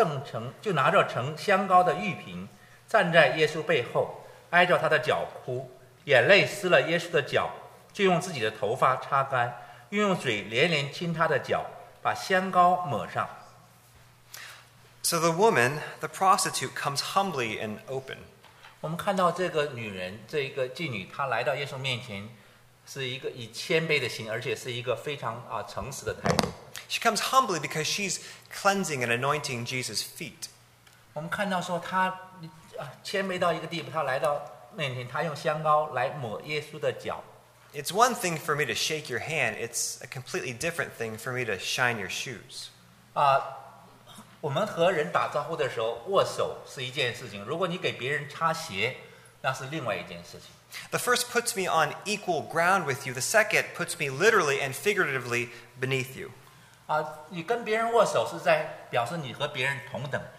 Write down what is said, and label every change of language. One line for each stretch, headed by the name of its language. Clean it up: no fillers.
Chinese: 约翰福音第七章36节到38节，有一个法利赛人请耶稣和他吃饭，耶稣就到法利赛人家里去坐席。那城里有一个女人是个罪人，知道耶稣在法利赛人家里坐席，就拿着盛香膏的玉瓶。站在耶稣背后，挨着他的脚哭，眼泪湿了耶稣的脚，就用自己的头发擦干，又用嘴连连亲他的脚，把香膏抹上。
English: So the woman, the prostitute, comes humbly and open.
Chinese: 我们看到这个女人，这一个妓女，她来到耶稣面前，是一个以谦卑的心，而且是一个非常诚实的态度。
English: She comes humbly because she's cleansing and anointing Jesus' feet.
Chinese: 我们看到说她 谦卑到一个地步，他来到面前，他用香膏来抹耶稣的脚。
English: It's one thing for me to shake your hand. It's a completely different thing for me to shine your shoes.
Chinese: 我们和人打招呼的时候握手是一件事情，如果你给别人擦鞋，那是另外一件事情。
English: The first puts me on equal ground with you. The second puts me literally and figuratively beneath you.
Chinese: 你跟别人握手是在表示你和别人同等。